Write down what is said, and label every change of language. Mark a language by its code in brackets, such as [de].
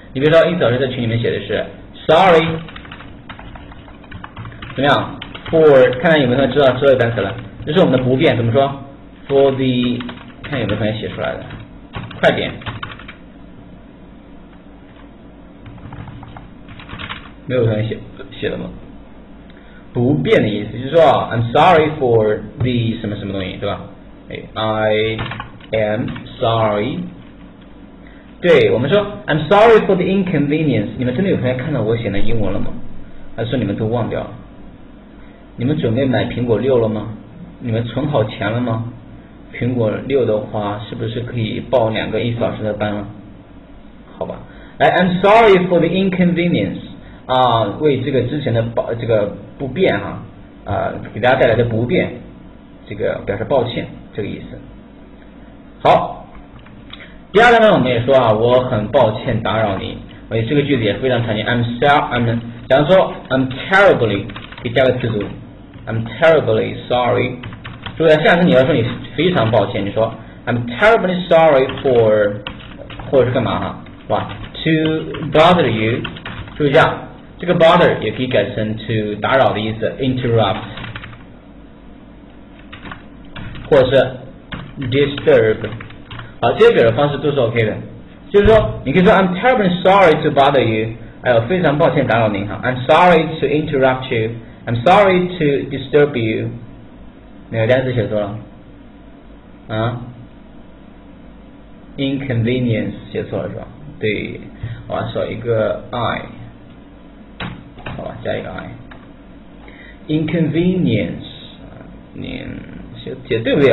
[zh] 你比如说，英子老师在群里面写的是 sorry， 怎么样 ？For 看看有没有同学知道这个单词了？这是我们的不便，怎么说 ？For the 看有没有同学写出来的？快点，没有同学写了吗？不变的意思就是说 I'm sorry for the 什么什么东西，对吧？ [en] I am sorry，对，我们说 I'm sorry for the inconvenience。 [zh] 你们真的有同学看到我写的英文了吗？还是说你们都忘掉了？你们准备买苹果六了吗？你们存好钱了吗？苹果六的话是不是可以报两个一小时的班了？好吧，来 I'm sorry for the inconvenience 啊，为这个之前的这个不便哈，给大家带来的不便，这个表示抱歉这个意思。好，第二个呢我们也说啊，我很抱歉打扰你，而且这个句子也非常常见。假如说 I'm terribly 给加个词组 I'm terribly sorry，注意啊，下次你要说你非常抱歉，你说 I'm terribly sorry for，或者是干嘛哈，是吧？ To bother you，注意一下，这个 bother 也可以改成 to 打扰的意思， interrupt， 或者是 disturb。好，这些表达方式都是 OK 的，就是说你可以说 I'm terribly sorry to bother you，哎呦非常抱歉打扰您哈， I'm sorry to interrupt you， I'm sorry to disturb you。哪个单词写错了？啊 ？inconvenience 写错了是吧？对，我要少一个 i， 好吧，加一个 i。 inconvenience， 您写对不对？